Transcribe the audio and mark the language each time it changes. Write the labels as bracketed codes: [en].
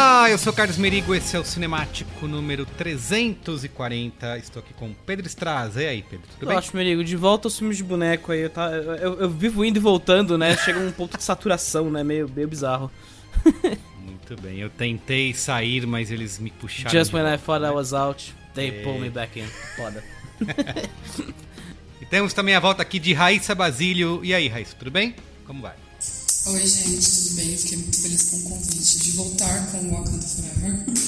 [pt] Eu sou Carlos Merigo, esse é o Cinemático número 340. Estou aqui com o Pedro Estraza. E aí, Pedro, tudo bem? Eu acho, Merigo, de volta aos filmes de boneco aí. Eu vivo indo e voltando, né? Chega um ponto de saturação, né? Meio bizarro. Muito bem, eu tentei sair, mas eles me puxaram. [en] Just when I thought I was out, they pulled me back in. [pt] Foda. E temos também a volta aqui de Raíssa Basílio. E aí, Raíssa, tudo bem? Como vai? Oi, gente, tudo bem? Fiquei muito feliz com o convite de voltar com o Wakanda Forever.